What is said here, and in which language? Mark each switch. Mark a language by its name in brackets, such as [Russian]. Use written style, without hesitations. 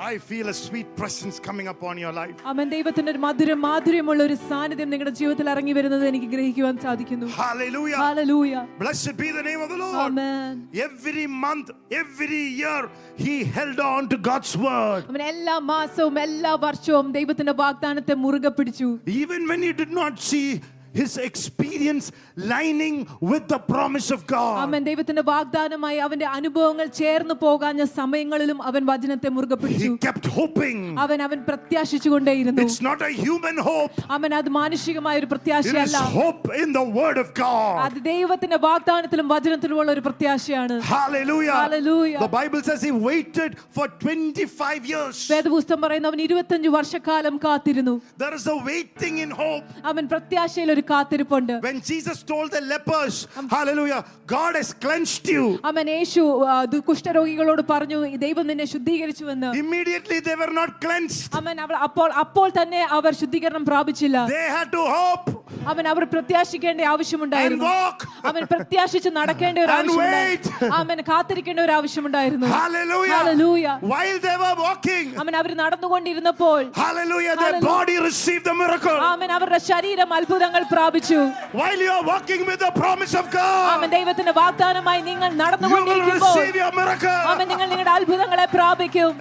[English] I feel a sweet presence coming upon your life. Amen. [Malayalam] ദൈവത്തിന്റെ മധുരമുള്ള ഒരു സാന്നിധ്യം നിങ്ങളുടെ ജീവിതത്തിൽ ഇറങ്ങി വരുന്നത് എനിക്ക് ഗ്രഹിക്കുവാൻ സാധിക്കുന്നു. [English] Hallelujah. Hallelujah. Blessed be the name of the Lord. Amen. Every month, every year, he held on to God's word. [Malayalam] അവൻ എല്ലാ മാസവും എല്ലാ വർഷവും ദൈവത്തിന്റെ വാഗ്ദാനത്തെ മുറുകെ പിടിച്ചു. [English] Even when he did not see his experience lining with the promise of God. Amen. [Malayalam] ദൈവത്തിന്റെ വാഗ്ദാനമായി അവന്റെ അനുഭവങ്ങൾ ചേർന്നു പോകാഞ്ഞ സമയങ്ങളിലും അവൻ വചനത്തെ മുറുകെ പിടിച്ചു. [English] He kept hoping. [Malayalam] അവൻ പ്രത്യാശിച്ചുകൊണ്ടേയിരുന്നു. [English] It's not a human hope. [Malayalam] അവൻ അത് മാനുഷികമായ ഒരു പ്രത്യാശയല്ല. [English] It is hope in the word of God. [Malayalam] അത് ദൈവത്തിന്റെ വാഗ്ദാനത്തിലും വചനത്തിലുമുള്ള ഒരു പ്രത്യാശയാണ്. [English] Hallelujah. Hallelujah. The Bible says he waited for 25 years. [Malayalam] വേദപുസ്തകം പറയുന്നു അവൻ 25 വർഷക്കാലം കാത്തിരുന്നു. [English] There is a waiting in hope. [Malayalam] അവൻ പ്രത്യാശ ഒരു കാത്തിരിപ്പുണ്ട്. [English] When Jesus told the lepers, hallelujah, God has cleansed you. Amen. [Malayalam] യേശു കുഷ്ഠരോഗികളോട് പറഞ്ഞു ദൈവം നിന്നെ ശുദ്ധീകരിച്ചു എന്ന്. [English] Immediately they were not cleansed. Amen. [Malayalam] അപ്പോൾ തന്നെ അവർ ശുദ്ധീകരണം പ്രാപിച്ചില്ല. [English] They had to hope. [Malayalam] അവൻ അവർ പ്രത്യാശിക്കേണ്ട ആവശ്യമുണ്ടായിരുന്നു. [English] And walk. [Malayalam] അവൻ പ്രത്യാശിച്ച് നടക്കേണ്ട ഒരു ആവശ്യമുണ്ട്. അവൻ കാത്തിരിക്കേണ്ട ഒരു ആവശ്യമുണ്ടായിരുന്നു. [English] Hallelujah. Hallelujah. While they were walking. [Malayalam] അവൻ അവർ നടന്നുകൊണ്ടിരുന്നപ്പോൾ. [English] Hallelujah. Their body received the miracle. [Malayalam] Amen. അവരുടെ ശരീരം അത്ഭുതങ്ങൾ പ്രാപിച്ചു. [English] While you are walking with the promise of God. [Malayalam] അവൻ ദൈവത്തിന്റെ വാഗ്ദാനമായി നിങ്ങൾ നടന്നുകൊണ്ടിരിക്കുമ്പോൾ. [English] You will receive your miracle. [Malayalam] അവൻ നിങ്ങളുടെ അത്ഭുതങ്ങളെ പ്രാപിക്കും.